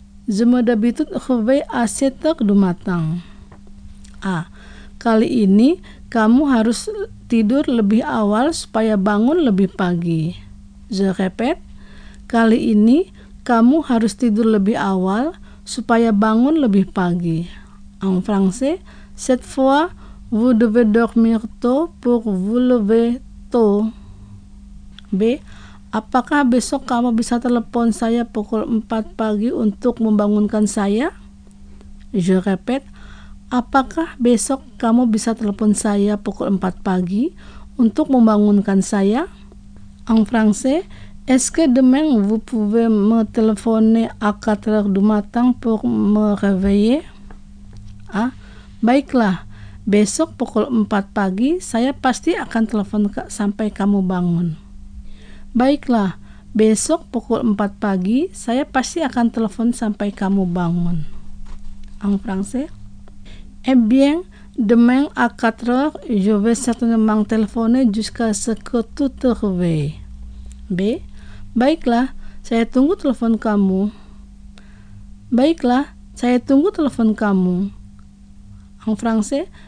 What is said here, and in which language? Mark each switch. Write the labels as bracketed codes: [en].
[fr] Je me d'habitude réveille à 7h du matin. A. [id] Kali ini, kamu harus tidur lebih awal supaya bangun lebih pagi. [fr] Je répète. [id] Kali ini, kamu harus tidur lebih awal supaya bangun lebih pagi. [fr] En français, cette fois, vous devez dormir tôt pour vous lever tôt. B. [id] Apakah besok kamu bisa telepon saya pukul 4 pagi untuk membangunkan saya? [fr] Je répète. [id] Apakah besok kamu bisa telepon saya pukul 4 pagi untuk membangunkan saya? [fr] En français, est-ce que demain vous pouvez me téléphoner à 4h du matin pour me réveiller? A. [id] Baiklah, besok pukul 4 pagi saya pasti akan telepon sampai kamu bangun. Baiklah, besok pukul 4 pagi saya pasti akan telepon sampai kamu bangun. [fr] En français? Eh bien, demain à 4 heures, je vais certainement téléphoner jusqu'à ce que tu te réveilles. [id] B. Baiklah, saya tunggu telepon kamu. Baiklah, saya tunggu telepon kamu. [fr] En français?